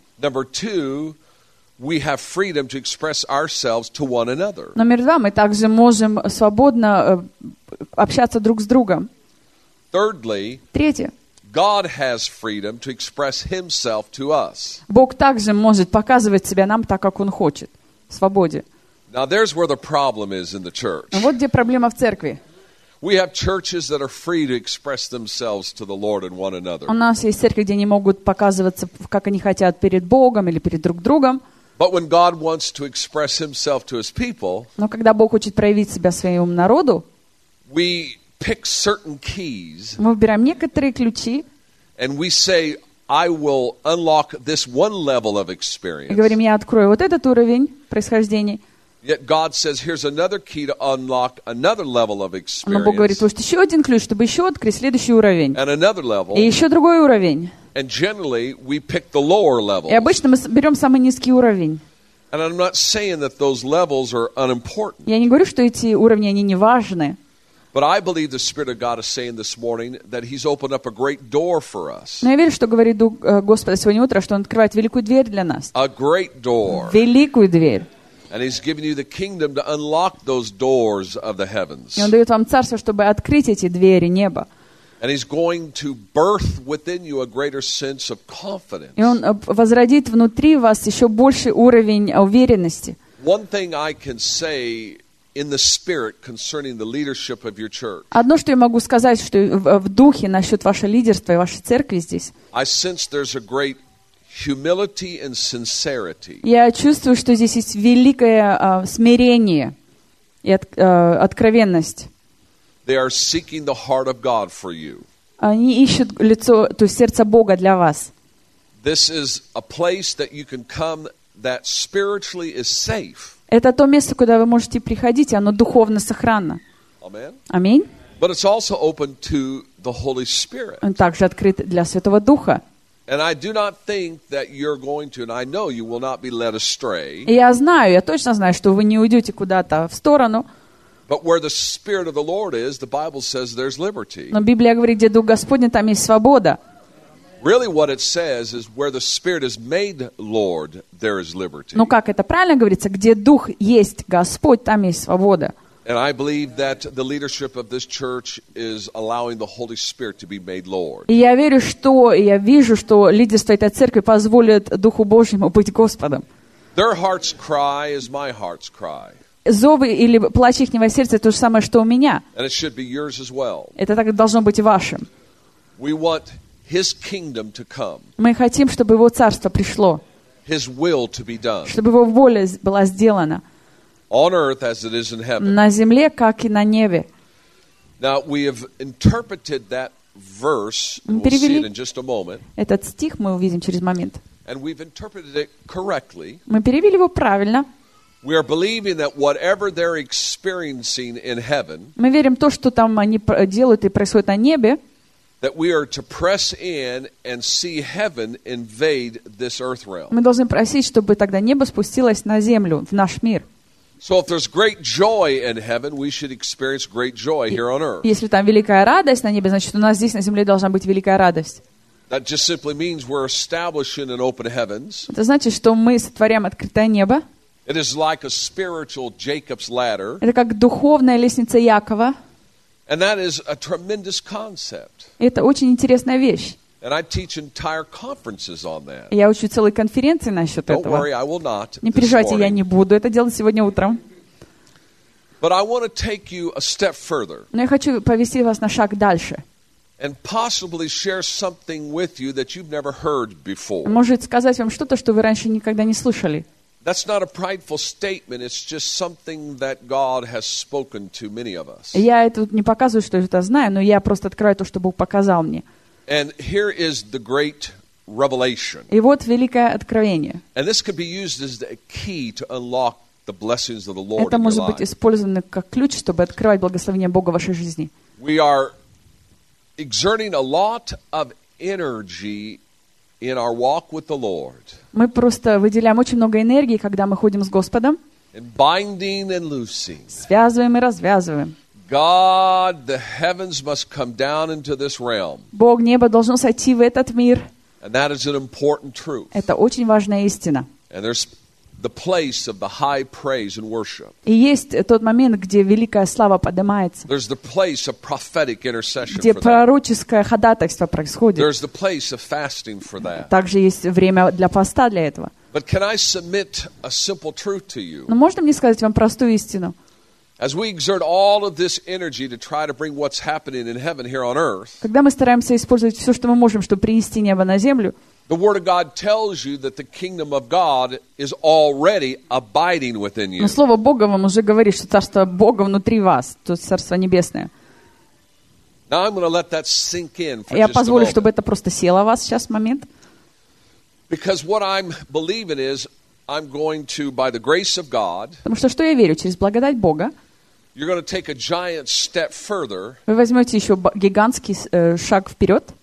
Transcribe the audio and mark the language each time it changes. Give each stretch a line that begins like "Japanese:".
English: Number two, we have freedom to express ourselves to one another.
Russian: Номер два, мы также можем свободно общаться друг с другом.
English: Thirdly,
Russian: третье,
English: God has freedom to express Himself to us.
Russian: Бог также может показывать себя нам так, как Он хочет, в свободе.
English: Now there's where the problem is in the church.
Russian: Вот где проблема в церкви.
English: We have churches that are free to express themselves to the Lord and one another.
Russian: У нас есть церкви, где они могут показываться, как они хотят, перед Богом или перед друг другом.
English: But when God wants to express Himself to His people,
Russian: но когда Бог хочет проявить себя своему народу,
English: we pick certain keys.
Russian: Мы выбираем некоторые ключи.
English: And we say, I will unlock this one level of experience.
Russian: И говорим, я открою вот этот уровень происхождения.
English: Yet God says, here's another key to unlock another level of experience.
Russian: Но Бог говорит, вот еще один ключ, чтобы еще открыть следующий уровень.
English: And another level.
Russian: И еще другой уровень.
English: And generally, we pick the lower level.
Russian: И обычно мы берем самый низкий уровень.
English: And I'm not saying that those levels are unimportant.
Russian: Я не говорю, что эти уровни, они не важны.
English: But I believe the Spirit of God is saying this morning that He's opened up a great door for us.
Russian: Но я верю, что говорит Дух Господа сегодня утро, что Он открывает великую дверь для нас.
English: A great door.
Russian: Великую дверь.
English: And He's giving you the kingdom to unlock those doors of the heavens.
Russian: И Он дает вам царство, чтобы открыть эти двери неба.
English: And He's going to birth within you a greater sense of confidence.
Russian: И Он возродит внутри вас еще больший уровень уверенности.
English: One thing I can say in the spirit concerning the leadership of your church.
Russian: Одно, что я могу сказать, что в духе насчет вашего лидерства и вашей церкви здесь.
English: I sense there's a great humility and sincerity.
Russian: Я чувствую, что здесь есть великое смирение и откровенность.
English: They are seeking the heart of God for you.
Russian: Они ищут лицо, то есть сердце Бога для вас.
English: This is a place that you can come that spiritually is safe.
Russian: Это то место, куда вы можете приходить, и оно духовно сохранно. Аминь.
English: But it's also open to the Holy Spirit.
Russian: Он также открыт для Святого Духа.
English: And I do not think that you're going to, and I know you will not be led astray.
Russian: Я знаю, я точно знаю, что вы не уйдете куда-то в сторону.
English: But where the Spirit of the Lord is, the Bible says there's liberty.
Russian: Но Библия говорит, где Дух Господень, там есть свобода.
English: Really, what it says is where the Spirit is made Lord, there is liberty.
Russian: Но как это правильно говорится, где Дух есть Господь, там есть свобода.
English: And I believe that the leadership of this church is allowing the Holy Spirit to be made Lord.
Russian: И я верю, что я вижу, что лидерство этой церкви позволит Духу Божьему быть Господом.
English: Their heart's cry is my heart's cry.
Russian: Зовы или плач ихнего сердца то же самое, что у меня.
English: And it should be yours as well.
Russian: Это так должно быть и вашим.
English: We want His kingdom to come.
Russian: Мы хотим, чтобы Его царство пришло.
English: His will to be done.
Russian: Чтобы Его воля была сделана.
English: On earth as it is in heaven.
Russian: На земле, как и на небе.
English: Now we have interpreted that verse. We'll see it in just a moment.
Russian: Этот стих мы увидим через момент.
English: And we've interpreted it correctly.
Russian: Мы перевели его правильно.
English: We are believing that whatever they're experiencing in heaven.
Russian: Мы верим то, что там они делают и происходит на небе.
English: That we are to press in and see heaven invade this earth realm.
Russian: Мы должны просить, чтобы тогда небо спустилось на землю, в наш мир.
English: So if there's great joy in heaven, we should experience great joy here on earth.
Russian: Если там великая радость на небе, значит у нас здесь на земле должна быть великая радость.
English: That just simply means we're establishing an open heavens.
Russian: Это значит, что мы сотворяем открытое небо.
English: It is like a spiritual Jacob's ladder.
Russian: Это как духовная лестница Якова.
English: And that is a tremendous concept.
Russian: Это очень интересная вещь.
English: And I teach entire conferences on that.
Russian: Я учу целые конференции насчет этого.
English: Don't worry, I will not.
Russian: Не переживайте, я не буду это делать сегодня утром.
English: But I want to take you a step further.
Russian: Но я хочу повести вас на шаг дальше.
English: And possibly share something with you that you've never heard before.
Russian: Может сказать вам что-то, что вы раньше никогда не слышали.
English: That's not a prideful statement. It's just something that God has spoken to many of us.
Russian: Я это не показываю, что это знаю, но я просто открываю то, что Бог показал мне.
English: And here is the great revelation.
Russian: И вот великое откровение.
English: And this could be used as a key to unlock the blessings of the Lord.
Russian: Это может быть использовано как ключ, чтобы открывать благословения Бога в вашей жизни.
English: We are exerting a lot of energy in our walk with the Lord.
Russian: Мы просто выделяем очень много энергии, когда мы ходим с Господом.
English: And binding and loosing.
Russian: Связываем и развязываем.
English: God, the heavens must come down into this realm.
Russian: Бог, небо должно сойти в этот мир.
English: And that is an important truth.
Russian: Это очень важная истина.
English: And there's the place of the high praise and worship.
Russian: И есть тот момент, где великая слава поднимается.
English: There's the place of prophetic intercession.
Russian: Где пророческое ходатайство происходит.
English: There's the place of fasting for that.
Russian: Также есть время для поста для этого.
English: But can I submit a simple truth to you?
Russian: Но можно мне сказать вам простую истину?
English: As we exert all of this energy to try to bring what's happening in heaven here on earth.
Russian: Когда мы стараемся использовать всё, что мы можем, чтобы принести небо на землю.
English: The word of God tells you that the kingdom of God is already abiding within you.
Russian: Но слово Бога вам уже говорит, что царство Бога внутри вас, то есть царство небесное.
English: Now I'm going to let that sink in for just a moment.
Russian: Я позволю, чтобы это просто село в вас сейчас момент.
English: Because what I'm believing is I'm going to, by the grace of God.
Russian: Потому что я верю через благодать Бога.
English: You're going to take a giant step further.
Russian: Вы возьмете еще гигантский шаг вперед.